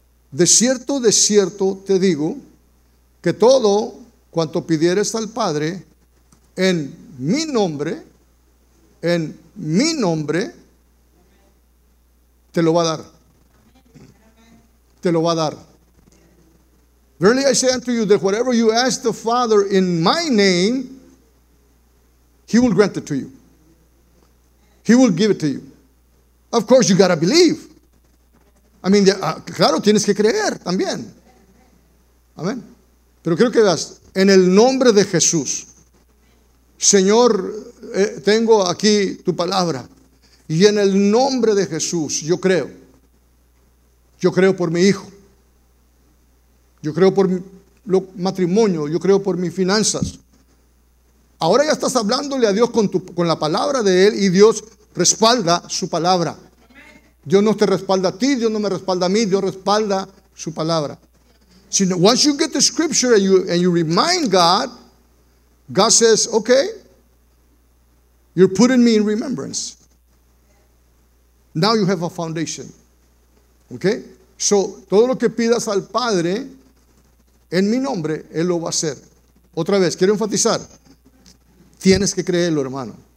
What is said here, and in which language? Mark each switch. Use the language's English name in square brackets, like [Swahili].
[Spanish] De cierto te digo que todo cuanto pidieres al Padre en mi nombre, te lo va a dar. Te lo va a dar. [English] Verily I say unto you that whatever you ask the Father in my name, he will grant it to you. He will give it to you. Of course, you gotta believe. I mean, [Spanish] claro, tienes que creer también. [English] Amén. [Spanish] Pero creo que veas, en el nombre de Jesús, Señor, tengo aquí tu palabra. Y en el nombre de Jesús, yo creo por mi hijo. Yo creo por mi matrimonio, yo creo por mis finanzas. Ahora ya estás hablándole a Dios con la palabra de Él y Dios respalda su palabra. Dios no te respalda a ti, Dios no me respalda a mí, Dios respalda su palabra. [English] So once you get the scripture and you remind God, God says, okay, you're putting me in remembrance. Now you have a foundation. Okay? [Spanish] So, todo lo que pidas al Padre, en mi nombre, Él lo va a hacer. Otra vez, quiero enfatizar, tienes que creerlo, hermano.